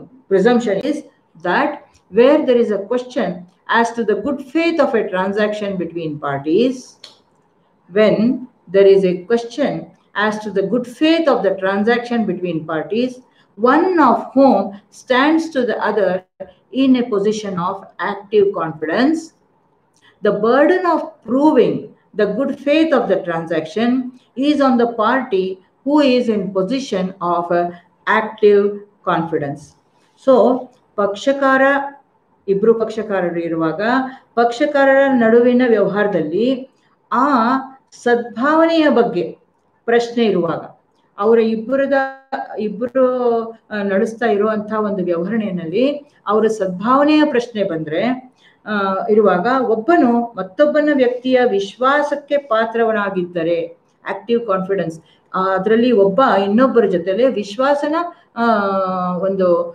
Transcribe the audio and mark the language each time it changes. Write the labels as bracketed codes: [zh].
[en] Presumption is that where there is a question as to the good faith of a transaction between parties, when there is a question as to the good faith of the transaction between parties, one of whom stands to the other in a position of active confidence. The burden of proving the good faith of the transaction is on the party who is in position of active confidence. [kn] So, ಪಕ್ಷಕಾರ ಇಬ್ಬರು ಪಕ್ಷಕಾರರು ಇರುವಾಗ ಪಕ್ಷಕಾರರ ನಡುವಿನ ವ್ಯವಹಾರದಲ್ಲಿ ಆ ಸದ್ಭಾವನೆಯ ಬಗ್ಗೆ ಪ್ರಶ್ನೆ ಇರುವಾಗ, ಅವರ ಇಬ್ಬರು ನಡೆಸ್ತಾ ಇರುವಂಥ ಒಂದು ವ್ಯವಹರಣೆಯಲ್ಲಿ ಅವರ ಸದ್ಭಾವನೆಯ ಪ್ರಶ್ನೆ ಬಂದರೆ ಇರುವಾಗ ಒಬ್ಬನು ಮತ್ತೊಬ್ಬನ ವ್ಯಕ್ತಿಯ ವಿಶ್ವಾಸಕ್ಕೆ ಪಾತ್ರವನಾಗಿದ್ದರೆ, ಆಕ್ಟಿವ್ ಕಾನ್ಫಿಡೆನ್ಸ್ ಅದರಲ್ಲಿ ಒಬ್ಬ ಇನ್ನೊಬ್ಬರ ಜೊತೆಯಲ್ಲಿ ವಿಶ್ವಾಸನ ಒಂದು